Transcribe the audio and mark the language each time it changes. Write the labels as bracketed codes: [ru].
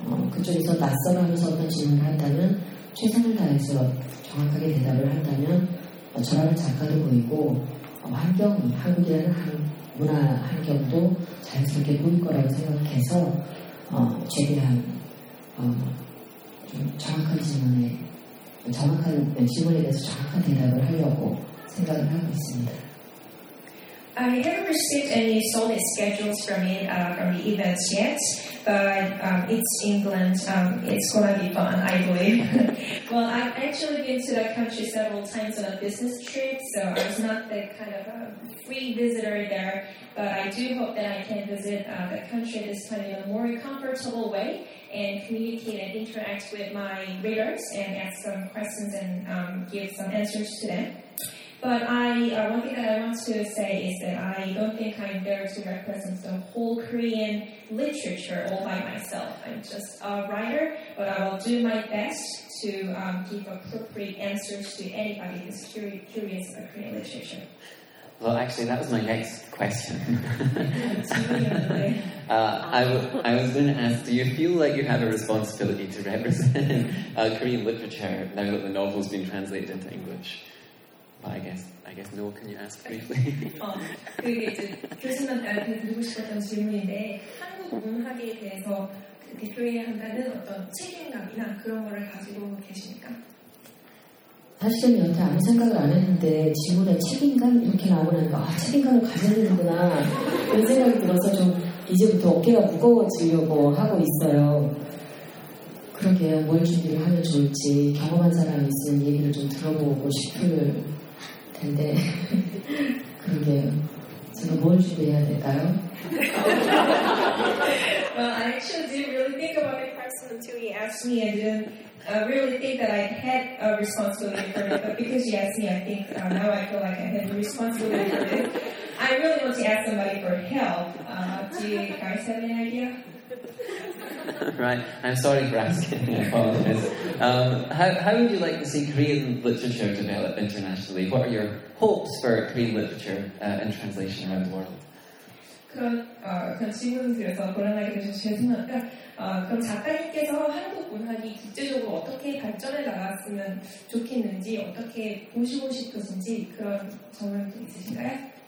[ko] 그쪽에서 낯설어서 어떤 질문을 한다면 최선을 다해서 정확하게 대답을 한다면 저라는 작가도 보이고 환경이 한국이라는 문화 환경도 자연스럽게 보일 거라고 생각해서 최대한 좀 정확한 질문에 대해서 정확한 대답을 하려고 생각을 하고 있습니다. [en] I haven't received any solid schedules from the events yet, but it's England. It's going to be fun, I believe. Well, I've actually been to that country several times on a business trip, so I was not that kind of a free visitor there. But I do hope that I can visit the country this time in a more comfortable way and communicate and interact with my readers and ask some questions and give some answers to them. But one thing that I want to say is that I don't think I'm there to represent the whole Korean literature all by myself. I'm just a writer, but I will do my best to give appropriate answers to anybody who's curious about Korean literature. Well, actually, that was my next question. I was going to ask, do you feel like you have a responsibility to represent Korean literature now that the novel's been translated into English? But I guess no. Can you ask briefly? [ko] 그게 이제 교수님 나한테 드리고 싶었던 질문인데 한국 문학에 대해서 대표해야 한다는 어떤 책임감이나 그런 거를 가지고 계십니까? 사실은 여태 아무 생각을 안 했는데 질문에 책임감 이렇게 나오니까 책임감을 가져야 되는구나 이런 생각이 들어서 좀 이제부터 어깨가 무거워지려고 하고 있어요. 그렇게 뭘 준비를 하면 좋을지 경험한 사람이 있으면 얘기를 좀 들어보고 싶을. 근데 그러게요. 제가 뭘 준비해야 될까요? [en] Well, I actually didn't really think about it first until you asked me. I didn't really think that I had a responsibility for it. But because you asked me, I think now I feel like I have a responsibility for it. I really want to ask somebody for help. Do you guys have any idea? Right. I'm sorry for asking. I apologize. How would you like to see Korean literature develop internationally? What are your hopes for Korean literature and translation around the world? [ko] 그런 질문을 드려서 곤란하게 되셔서 죄송합니다. 그럼 작가님께서 한국 문학이 국제적으로 어떻게 발전해 나갔으면 좋겠는지 어떻게 보시고 싶으신지 그런 점은 있으신가요?